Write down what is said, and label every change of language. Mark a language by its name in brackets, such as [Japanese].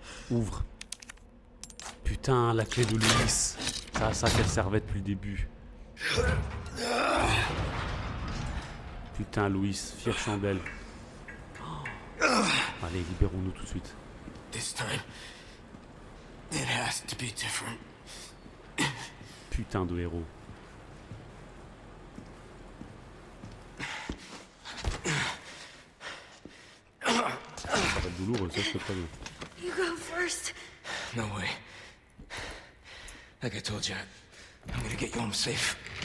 [French] Ouvre. Putain, la clé de Lewis. C'est à ça qu'elle servait depuis le début. Putain, Louis, fière chandelle. Oh. Allez, libérons-nous tout de suite. [English] This time, it has to be different. [French] Putain de héros. Ça va être douloureux, ça, c'est pas bien. [English] You go first. No way. Like I told you, I'm gonna get you home safe.